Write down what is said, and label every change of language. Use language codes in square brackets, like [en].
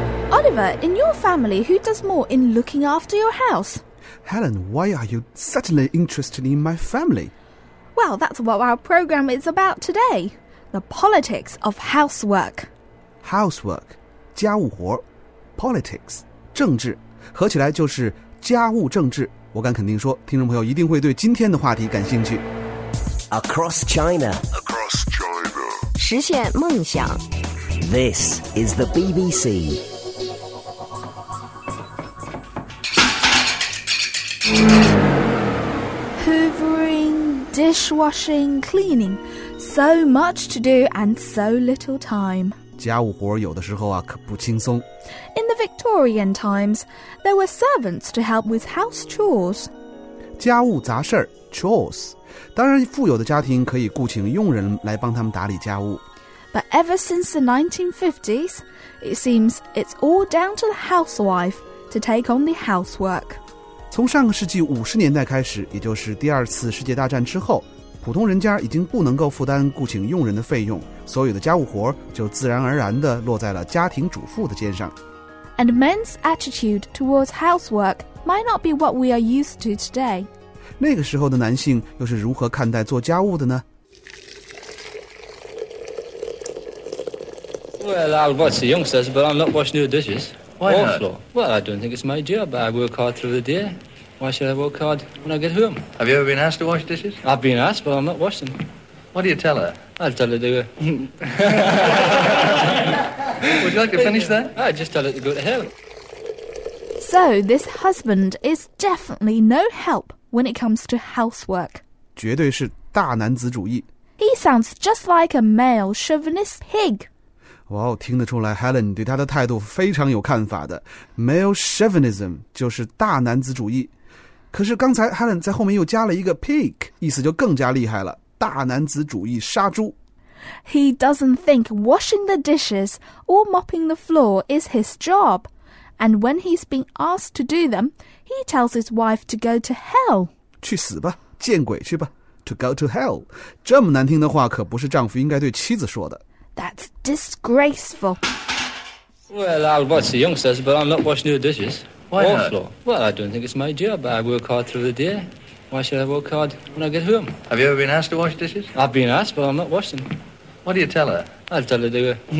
[en] Oliver, in your family, who does more in looking after your house? Helen, why are you suddenly interested in my family? Well, that's what our program is about today. The politics of housework. [zh] Housework, 家务活 politics, 政治，合起来就是家务政治。我敢肯定说，听众朋友一定会对今天的话题感兴趣。 [en] Across China, Across China. [zh] 实现梦想。 [en] This is the BBC. Hoovering, dishwashing, cleaning. So much to do and so little time. [zh] 家务活有的时候啊，可不轻松。 [en] In the Victorian times, there were servants to help with house chores. [zh] 家务杂事儿 chores. 当然，富有的家庭可以雇请佣人来帮他们打理家务。 [en] But ever since the 1950s, it seems it's all down to the housewife to take on the housework. [zh] 从上个世纪50年代开始，也就是第二次世界大战之后，普通人家已经不能够负担雇请佣人的费用，所有的家务活就自然而然地落在了家庭主妇的肩上。 [en] And men's attitude towards housework might not be what we are used to today. [zh] 那个时候的男性又是如何看待做家务的呢？ [en] Well, I'll watch the youngsters, but I'm not washing your dishes. Why not? Well, I don't think it's my job. I work hard through the day. Why should I work hard when I get home? Have you ever been asked to wash dishes? I've been asked, but I'm not washing. What do you tell her? I'll tell her to go. Would you like to finish that? I'd just tell her to go to hell. So, this husband is definitely no help when it comes to housework. [zh] 绝对是大男子主义。 [en] He sounds just like a male chauvinist pig. [zh] 哇、wow, 听得出来 Helen 对他的态度非常有看法的 Male chauvinism 就是大男子主义可是刚才 Helen 在后面又加了一个 pig 意思就更加厉害了大男子主义杀猪 [en] He doesn't think washing the dishes or mopping the floor is his job And when he's been asked to do them He tells his wife to go to hell [zh] 去死吧见鬼去吧 [en] To go to hell [zh] 这么难听的话可不是丈夫应该对妻子说的 [en] That's disgraceful. Well, I'll watch the youngsters, but I'm not washing your dishes. Why not? Well, I don't think it's my job. I work hard through the day. Why should I work hard when I get home? Have you ever been asked to wash dishes? I've been asked, but I'm not washing. What do you tell her? I'll tell her to go.